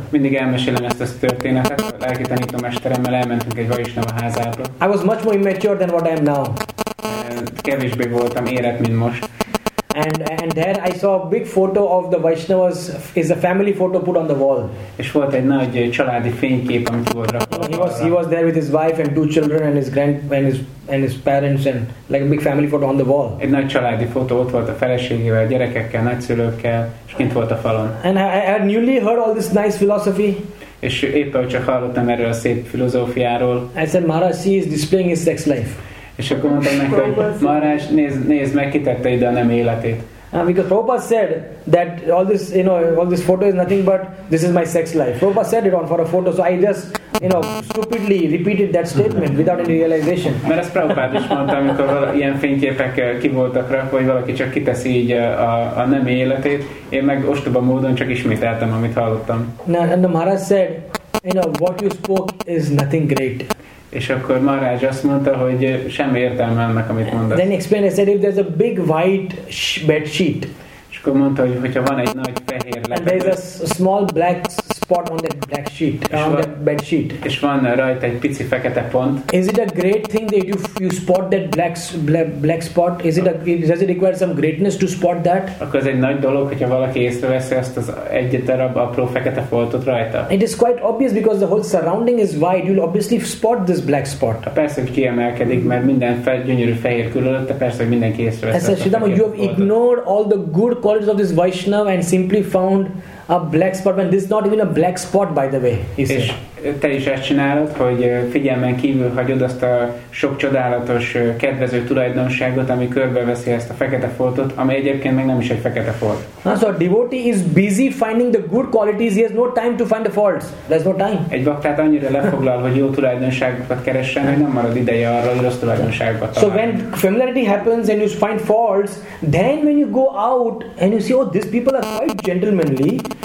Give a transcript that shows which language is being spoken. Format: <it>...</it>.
<hu>Mindig elmesélem ezt a történetet. A lelki tanító mesteremmel elmentünk egy Vaishnava házába.</hu> <en>I was much more immature than what I am now.</en> <hu>Kevésbé voltam érett, mint most.</hu> <en>And there I saw a big photo of the Vaishnavas, is a family photo put on the wall.</en> <hu>És volt egy nagy családi fénykép, amit volt rakva.</hu> <en>He was there with his wife and two children and his parents and like a big family photo on the wall.</en> <hu>Egy nagy családi fotó, ott volt a feleségével, gyerekekkel, nagyszülőkkel, és kint volt a falon.</hu> <en>And I had newly heard all this nice philosophy.</en> <hu>És éppen csak hallottam erről a szép filozófiáról.</hu> <en>I said, Maharaj, see, he's displaying his sex life.</en> <hu>És akkor mondtam neki, hogy Maharaj, nézd meg, kitette ide a nem életét.</hu> <en>Because Prabhupada said that all this, you know, all this photo is nothing but this is my sex life. Prabhupada said it on for a photo, so I just, you know, stupidly repeated that statement without any realization.</en> <hu>Mert ezt Prabhupada is mondta, amikor ilyen fényképek kivoltak rá, hogy valaki csak kiteszi így a nem életét, én meg ostoba módon csak ismételtem, amit hallottam.</hu> <en>And the Maharaj said, you know, what you spoke is nothing great.</en> <hu>És akkor Maharaj azt mondta, hogy semmi értelme ennek, amit mondasz.</hu> <en>Then explained, I said, if there's a big white bed sheet.</en> <hu>És akkor mondta, hogy hogyha van egy nagy fehér lepedő.</hu> <en>And there's a small black spot on that black sheet, on that bed sheet.</en> <hu>És van rajta egy pici fekete pont.</hu> <en>Is it a great thing that you spot that black spot? Is it does it require some greatness to spot that?</en> <hu>Akkor ez egy nagy dolog, hogyha valaki észreveszi ezt az egy darab apró fekete foltot rajta.</hu> <en>It is quite obvious because the whole surrounding is white. You'll obviously spot this black spot.</en> <hu>Persze, hogy kiemelkedik, mert minden gyönyörű fehér körülötte, persze, hogy mindenki észreveszi. Ezt a</hu> <en>Siddhama, you have ignored all the good qualities of this Vaishnava and simply found a black spot, when this is not even a black spot, by the way.</en> <hu>És te is ezt csinálod, hogy figyelmen kívül hagyod azt a sok csodálatos, kedvező tulajdonságot, ami körbeveszi ezt a fekete foltot, ami egyébként meg nem is egy fekete folt.</hu> <en>So a devotee is busy finding the good qualities, he has no time to find the faults. There's no time.</en> <hu>Egy baktát annyira lefoglal, hogy jó tulajdonságokat keressen, hogy nem marad ideje arra, hogy rossz tulajdonságokat találni.</hu> <en>So when familiarity happens and you find faults, then when you go out and you see, oh, these people are quite gentlemanly.</en>